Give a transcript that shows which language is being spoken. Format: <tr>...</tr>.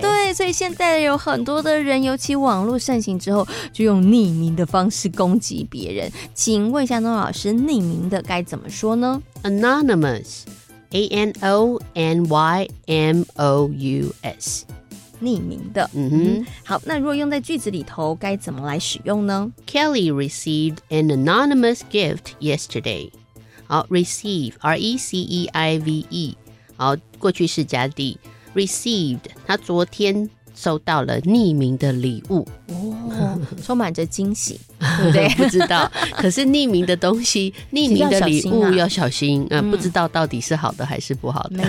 <zh>对，所以现在有很多的人，尤其网络盛行之后，就用匿名的方式攻击别人。请问一下诺老师，匿名的该怎么说呢？</zh> <en>Anonymous A-N-O-N-Y-M-O-U-S，</en> <zh>匿名的。好，那如果用在句子里头该怎么来使用呢？</zh> <en>Kelly received an anonymous gift yesterday。</en> <zh>好， receive R-E-C-E-I-V-E， 好，过去式加 D， received， 他昨天收到了匿名的礼物。哦，充满着惊喜。对，不知道，可是匿名的东西，匿名的礼物要小心，不知道到底是好的还是不好的。</zh>